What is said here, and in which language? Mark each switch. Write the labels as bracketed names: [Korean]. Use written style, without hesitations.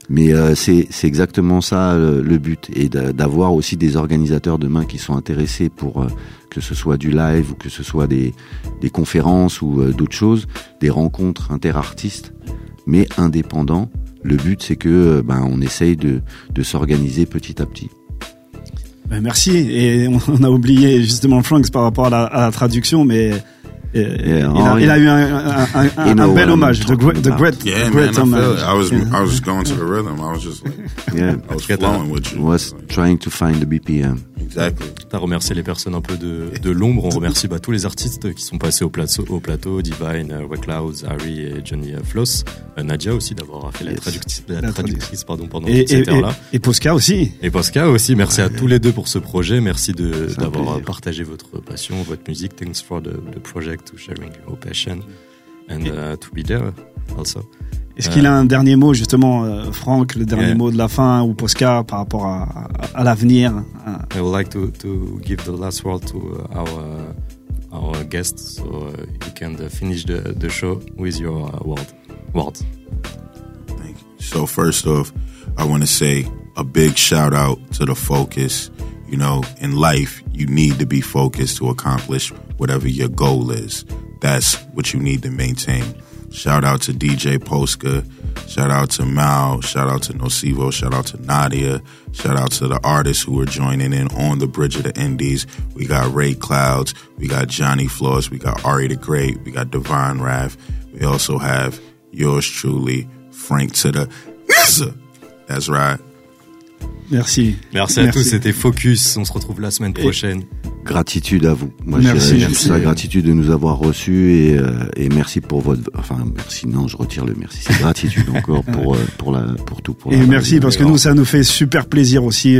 [French] Mais c'est exactement ça le but, et d'avoir aussi des organisateurs demain qui sont intéressés pour que ce soit du live ou que ce soit des conférences ou d'autres choses, des rencontres inter-artistes, mais indépendants. Le but, c'est que on essaye de s'organiser petit à petit. Ben, merci, et on a oublié justement Franks par rapport à la traduction, mais... Il a eu un bel hommage. [English] The great hommage. I was going to the rhythm. I was just like, yeah. I was flowing with you. Was trying to find the BPM. Exactly. [French] T'as remercié les personnes un peu de l'ombre. On remercie tous les artistes qui sont passés au plateau. Divine, Wet Clouds, Harry et Johnny Floss. Nadia aussi d'avoir fait la traductrice pendant cette heure-là. Et Posca aussi. Merci à tous les deux pour ce projet. Merci d'avoir partagé votre passion, votre musique. [English] Thanks for the project, to sharing your passion and to be there also. [French] Est-ce qu'il a un dernier mot, justement, Franck, le dernier mot de la fin, ou Posca, par rapport à l'avenir? [English] I would like to give the last word to our guest, so you can finish the show with your word. Thank you. So first off, I want to say a big shout out to the focus. You know, in life, you need to be focused to accomplish whatever your goal is. That's what you need to maintain. Shout out to DJ Posca, shout out to Mal, shout out to Nocivo, shout out to Nadia, shout out to the artists who are joining in on the Bridge of the Indies. We got Ray Clouds, we got Johnny Floss, we got Ari the Great, we got Divine Wrath. We also have yours truly, Frank to the Nizza. That's right. [French] Merci à tous, c'était Focus, on se retrouve la semaine prochaine. Gratitude à vous. Moi, merci. La gratitude de nous avoir reçus et merci pour votre... Enfin, merci, non, je retire le merci. C'est gratitude encore pour tout. Nous, ça nous fait super plaisir aussi.